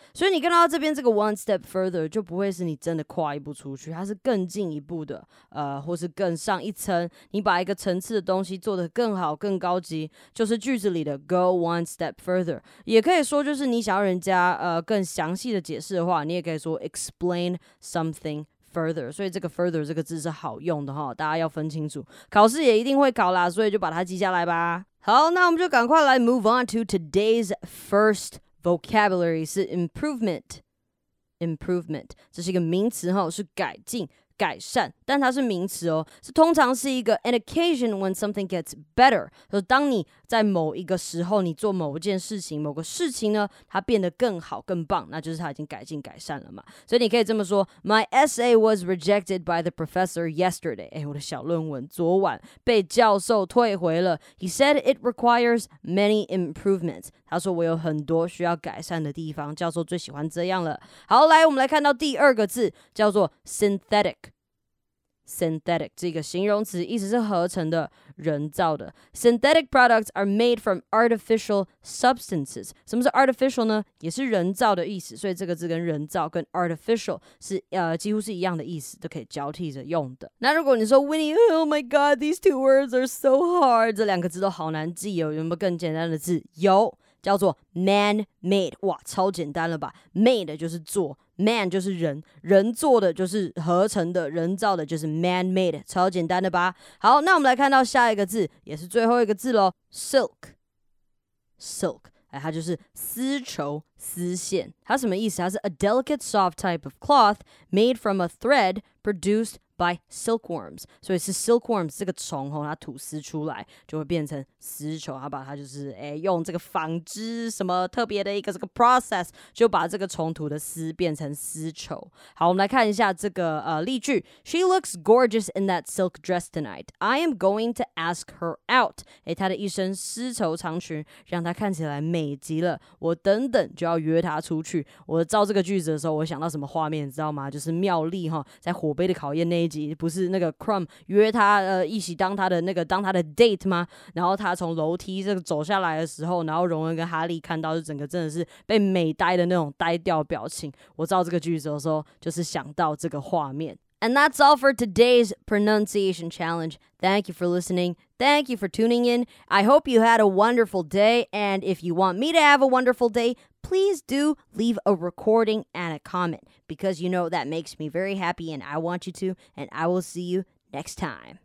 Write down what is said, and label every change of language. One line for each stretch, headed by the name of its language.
Chinese: 所以你看到这边这个 one step further 就不会是你真的跨一步出去，它是更进一步的或是更上一层，你把一个层次的东西做得更好更高级，就是句子里的 go one step further。也可以说就是你想要人家更详细的解释的话，你也可以说
English: explain something further。
Chinese: 所以这个 further 这个字是好用的哈，大家要分清楚，考试也一定会考啦，所以就把它记下来吧。好，那我们就赶快来
English: move on to today's first vocabulary
Chinese: 是 improvement
English: improvement.
Chinese: 这是一个名词哦，是改进、改善，但它是名词哦，是通常是一个
English: an occasion when something gets better.
Chinese: 就是当你在某一个时候，你做某一件事情、某个事情呢，它变得更好、更棒，那就是它已经改进、改善了嘛。所以你可以这么说 ：
English: My essay was rejected by the professor yesterday.
Chinese: 哎，我的小论文昨晚被教授退回了。
English: He said it requires many improvements.
Chinese: 他说我有很多需要改善的地方。教授最喜欢这样了。好，来，我们来看到第二个字，叫做 synthetic。 Synthetic 这个形容词意思是合成的、人造的。
English: Synthetic products are made from artificial substances.
Chinese: 什么是 artificial 呢？也是人造的意思。所以这个字跟人造跟 artificial 是几乎是一样的意思，都可以交替着用的。那如果你说
English: Winnie, oh my god, these two words are so hard.
Chinese: 这两个字都好难记哦。有没有更简单的字？有，叫做 man-made。哇，超简单了吧 ？Made 就是做。 Man 就是人，人做的就是合成的，人造的就是 man-made， 超简单的吧？好，那我们来看到下一个字，也是最后一个字咯 silk， 哎，它就是丝绸、丝线，它什么意思？它是
English: a delicate soft type of cloth made from a thread produced by silkworms，
Chinese: 所以是 silkworms 这个虫吼，它吐丝出来就会变成丝绸，它把它就是哎用这个纺织什么特别的一个这个 process， 就把这个虫吐的丝变成丝绸。好，我们来看一下这个例句
English: ，She looks gorgeous in that silk dress tonight. I am going to ask her out.
Chinese: 哎，她的一身丝绸长裙让她看起来美极了，我等等就要约她出去。我造这个句子的时候，我想到什么画面，你知道吗？就是妙丽哈在火杯的考验那。那一集不是那个 Crumb 约他一起当他的那个当他的 date 吗？然后他从楼梯这个走下来的时候，然后荣恩跟哈利看到就整个真的是被美呆的那种呆掉表情。我知道这个句子的时候，就是想到这个画面。
English: And that's all for today's pronunciation challenge. Thank you for listening. Thank you for tuning in. I hope you had a wonderful day. And if you want me to have a wonderful day, please do leave a recording and a comment. Because you know that makes me very happy and I want you to. And I will see you next time.